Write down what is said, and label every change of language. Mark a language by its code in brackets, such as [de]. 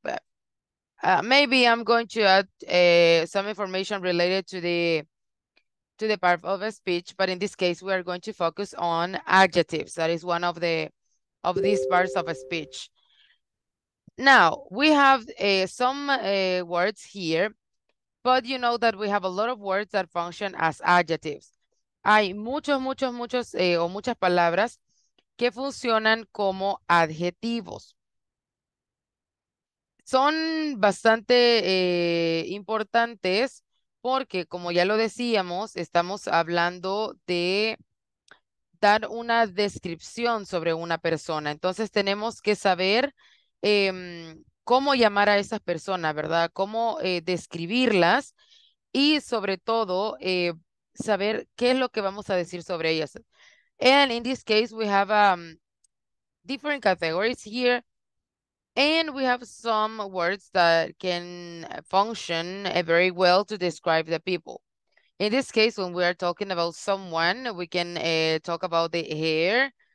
[en] But maybe I'm going to add some information related to the part of a speech, but in this case, we are going to focus on adjectives. That is one of the of these parts of a speech. Now, we have some words here, but you know that we have a lot of words that function as adjectives. [es] Hay muchos, muchos, muchos, o muchas palabras que funcionan como adjetivos. Son bastante importantes. Porque, como ya lo decíamos, estamos hablando de dar una descripción sobre una persona. Entonces, tenemos que saber cómo llamar a esas personas, ¿verdad? Cómo describirlas Y sobre todo, saber qué es lo que vamos a decir sobre ellas. [en] And in this case, we have different categories here. And we have some words that can function very well to describe the people. In this case, when we are talking about someone, we can talk about the hair.